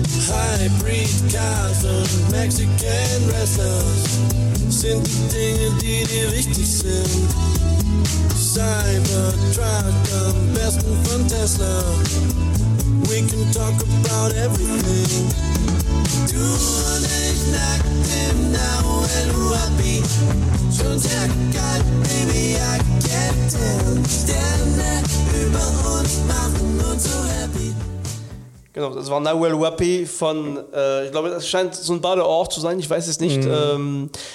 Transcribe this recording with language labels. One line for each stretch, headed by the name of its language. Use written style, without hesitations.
English: Hybrid cars and Mexican wrestlers.
German: sind die Dinge, die dir wichtig sind. Cybertruck, am besten von Tesla.
English: We can talk about everything.
German: Du und ich nackt im Nau in Ruapi. Schon sehr kalt,
English: Baby, I get it.
German: Sterne über uns machen uns so happy. Genau, das war Nahuel Huapi von, ich glaube, das scheint so ein Badeort zu sein, ich weiß es nicht. Mm.